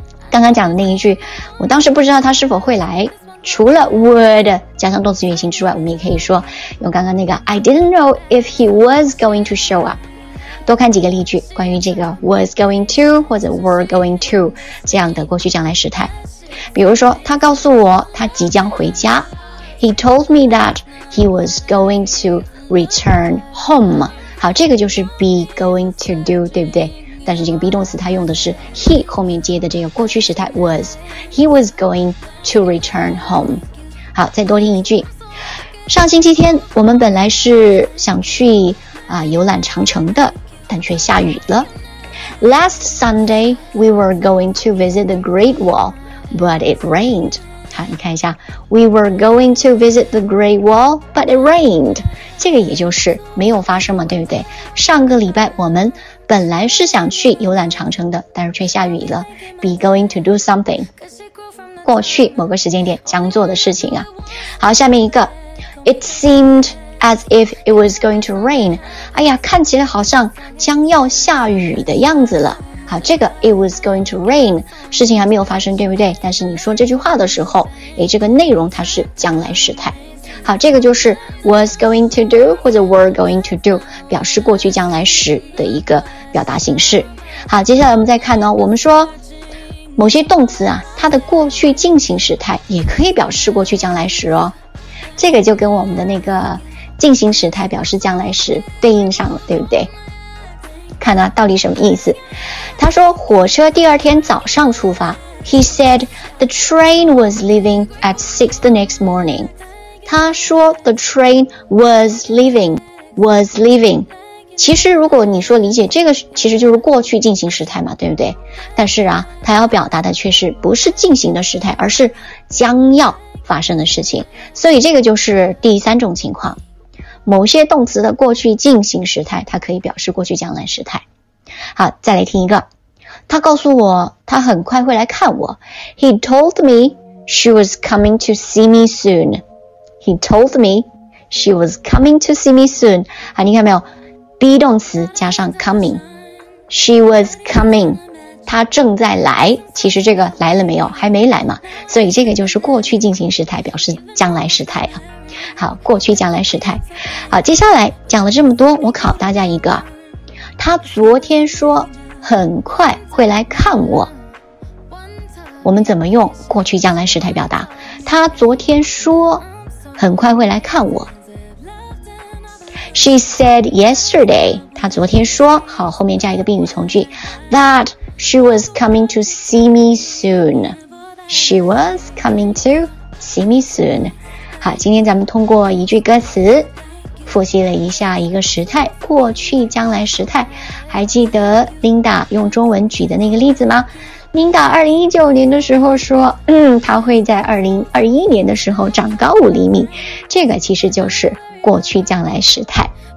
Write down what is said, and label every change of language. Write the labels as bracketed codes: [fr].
[zh] 刚刚讲的那一句我当时不知道他是否会来除了 would 加上动词原形之外我们也可以说用刚刚那个 [en] I didn't know if he was going to show up [zh] 多看几个例句关于这个 [en] was going to [zh] 或者 [en] were going to [zh] 这样的过去将来时态比如说他告诉我他即将回家 [en] He told me that he was going to return home. [zh] 好，这个就是 [en] be going to do, [zh] 对不对？但是这个 be 动词它用的是 he 后面接的这个过去时态 was. [en] He was going to return home. [zh] 好，再多听一句。上星期天我们本来是想去游览长城的，但却下雨了。 [en] Last Sunday, we were going to visit the Great Wall, but it rained. [zh] 好，你看一下。 [en] We were going to visit the Great Wall, but it rained. [zh] 这个也就是没有发生嘛，对不对？上个礼拜我们本来是想去游览长城的，但是却下雨了。 [en] Be going to do something. [zh] 过去某个时间点将做的事情啊。好，下面一个。 [en] It seemed as if it was going to rain. [zh] 哎呀，看起来好像将要下雨的样子了。好，这个 [en] it was going to rain [zh] 事情还没有发生，对不对？但是你说这句话的时候，哎，这个内容它是将来时态。好，这个就是 [en] was going to do [zh] 或者 [en] were going to do [zh] 表示过去将来时的一个表达形式。好，接下来我们再看呢，我们说某些动词啊，它的过去进行时态也可以表示过去将来时哦。这个就跟我们的那个进行时态表示将来时对应上了，对不对？看啊，到底什么意思。他说火车第二天早上出发。 [en] He said the train was leaving at 6 the next morning. [zh] 他说 [en] the train was leaving. [zh] 其实如果你说理解这个，其实就是过去进行时态嘛，对不对？但是啊，他要表达的却是不是进行的时态，而是将要发生的事情。所以这个就是第三种情况，某些动词的过去进行时态它可以表示过去将来时态。好，再来听一个。他告诉我他很快会来看我。 [en] He told me she was coming to see me soon. He told me she was coming to see me soon. [zh] 好，你看没有， be 动词加上 coming， [en] she was coming， [zh] 他正在来，其实这个来了没有，还没来嘛，所以这个就是过去进行时态表示将来时态啊。好，过去将来时态。好，接下来讲了这么多，我考大家一个。他昨天说很快会来看我，我们怎么用过去将来时态表达？他昨天说很快会来看我。 [en] She said yesterday， [zh] 他昨天说，好，后面加一个宾语从句， [en] thatShe was coming to see me soon. She was coming to see me soon. [zh] 好，今天咱们通过一句歌词复习了一下一个时态，过去将来时态。还记得 Linda 用中文举的那个例子吗？Linda 2019年的时候说她会在2021年的时候长高5厘米，这个其实就是过去将来时态。